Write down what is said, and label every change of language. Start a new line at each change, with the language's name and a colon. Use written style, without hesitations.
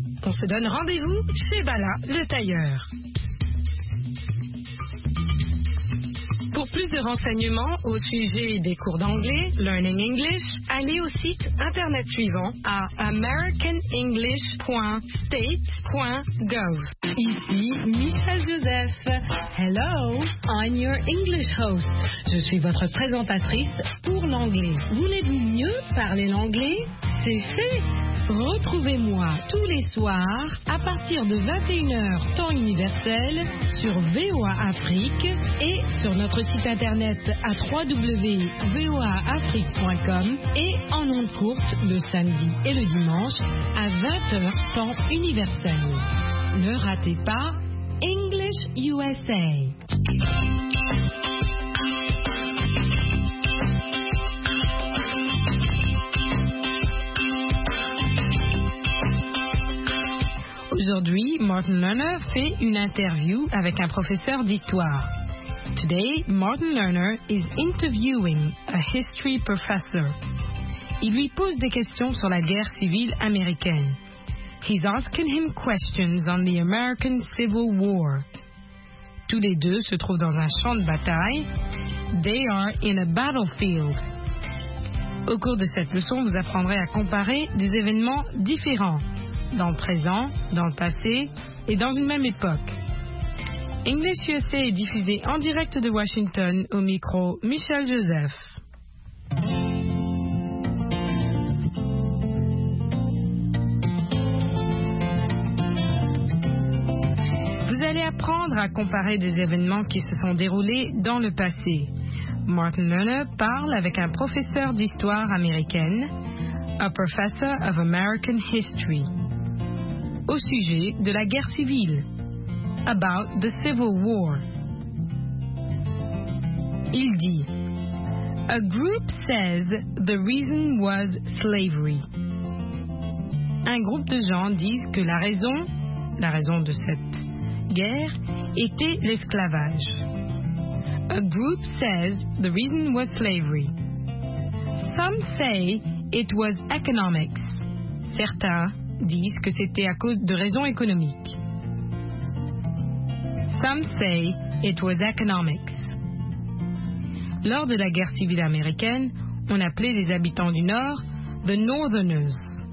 French: On se donne rendez-vous chez Bala, le tailleur. Pour plus de renseignements au sujet des cours d'anglais, Learning English, allez au site internet suivant à americanenglish.state.gov. Ici Michel Joseph.
English: Hello, I'm your English host.
French: Je suis votre présentatrice pour l'anglais. Voulez-vous mieux parler l'anglais? C'est fait! Retrouvez-moi tous les soirs à partir de 21h temps universel sur VOA Afrique et sur notre site internet à www.voaafrique.com et en ondes courtes le samedi et le dimanche à 20h temps universel. Ne ratez pas English USA. Aujourd'hui, Martin Lerner fait une interview avec un professeur d'histoire.
English: Today, Martin Lerner is interviewing a history professor.
French: Il lui pose des questions sur la guerre civile américaine.
English: He's asking him questions on the American Civil War.
French: Tous les deux se trouvent dans un champ de bataille.
English: They are in a battlefield.
French: Au cours de cette leçon, vous apprendrez à comparer des événements différents. Dans le présent, dans le passé et dans une même époque. English USA est diffusé en direct de Washington au micro Michel Joseph. Vous allez apprendre à comparer des événements qui se sont déroulés dans le passé. Martin Lerner parle avec un professeur d'histoire américaine,
English: a professor of American history.
French: Au sujet de la guerre civile.
English: About the Civil War.
French: Il dit:
English: A group says the reason was slavery.
French: Un groupe de gens disent que la raison de cette guerre était l'esclavage.
English: A group says the reason was slavery. Some say it was economics.
French: Certains disent que c'était à cause de raisons économiques.
English: Some say it was economics.
French: Lors de la guerre civile américaine, on appelait les habitants du Nord
English: the Northerners.